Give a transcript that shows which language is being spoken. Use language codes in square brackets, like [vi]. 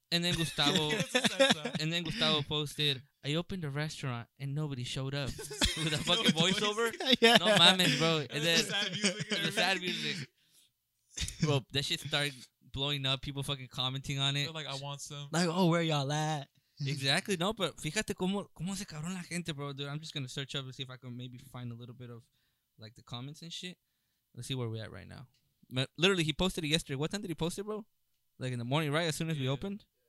[en] And then Gustavo and then Gustavo posted, I opened a restaurant and nobody showed up. With a fucking voiceover. Yeah. [es] No mames, bro. [en] And then the sad music. Bro, that shit started blowing up. People fucking commenting on it. They're like, I want some. Like, oh, where y'all at? Exactly. [es] No, but fíjate cómo se cabrón la gente, bro. [en] Dude, I'm just going to search up and see if I can maybe find a little bit of, like, the comments and shit. Let's see where we're at right now. But literally, he posted it yesterday. What time did he post it, bro? Like, in the morning, right? As soon as we opened?